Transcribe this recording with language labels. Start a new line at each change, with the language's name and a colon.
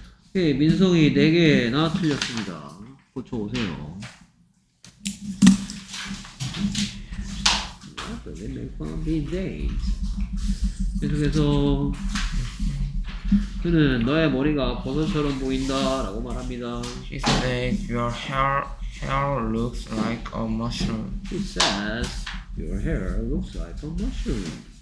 Korean: 오케이, 민성이 4개 나 틀렸습니다. 고쳐오세요.
English: What does it make fun of these days?
Korean: 계속해서 그는 너의 머리가 버섯처럼 보인다 라고 말합니다.
English: He says your hair looks like a mushroom. He says your hair looks like a mushroom.